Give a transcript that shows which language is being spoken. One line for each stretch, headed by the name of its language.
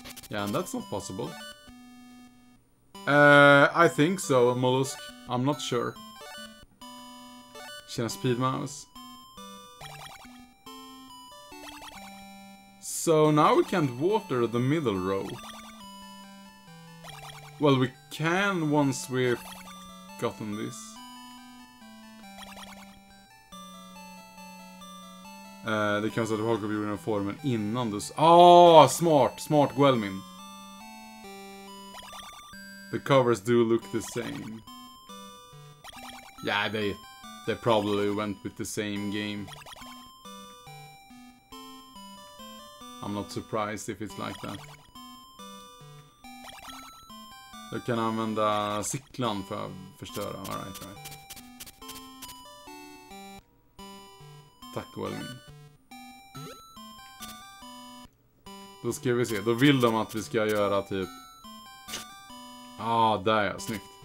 English: Yeah, and that's not possible. I think so, Mollusk. I'm not sure. Tjena, Speedmouse. So now we can't water the middle row. Well, we can once we've gotten this.
Swedish: Det kan vara så att du har gjort den formen innan du... Ah, smart Guelmin.
English: The covers do look the same. Yeah, they probably went with the same game. I'm not surprised if it's like that.
Swedish: Jag kan använda cyklan för att förstöra. All right. Tack, Guelmin. Då ska vi se. Då vill de att vi ska göra typ... Ah, där ja. Snyggt.